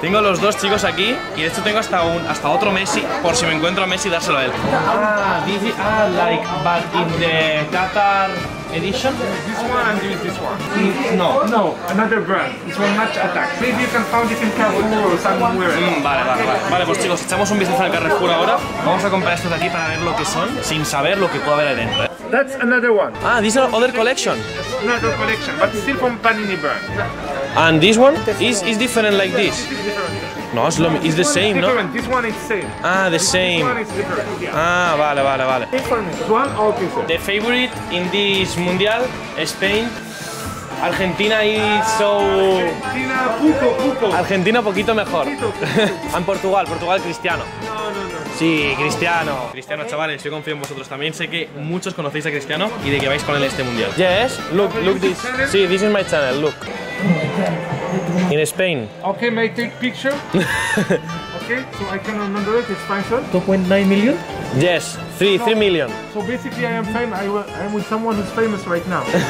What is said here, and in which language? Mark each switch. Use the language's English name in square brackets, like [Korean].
[Spanish] Tengo los dos chicos aquí y de hecho tengo hasta otro Messi por si me encuentro a Messi dárselo a él. [English] Ah, like, but in the Qatar edition? This one and this one. No, another brand. It's one match attack. Maybe you can find it in Carrefour or somewhere. [Spanish] Vale, pues chicos, echamos un vistazo al Carrefour ahora. Vamos a comprar estos de aquí para ver lo que son sin saber lo que puede haber adentro. [English] That's another one. Ah, this is another collection. Another collection, but still from Panini brand. And this one is different like this. No, it's the same, no? This one is the same. Ah, the same. This one is different, yeah. [Spanish] Ah, vale. [English] One or different? The favorite in this Mundial, Spain. Argentina is so... [Spanish] Argentina, poco. Argentina, poquito mejor. [English] And Portugal, Cristiano. [Spanish] Sí, Cristiano, chavales, yo confío en vosotros. También sé que muchos conocéis a Cristiano y de que vais con él este Mundial. [English] Yes, look this. Sí, this is my channel, look. In Spain. Okay, may I take picture? Okay, so I can remember it, it's fine, sir. 2.9 million? Yes, three million. So basically I am famous, I am with someone who's famous right now.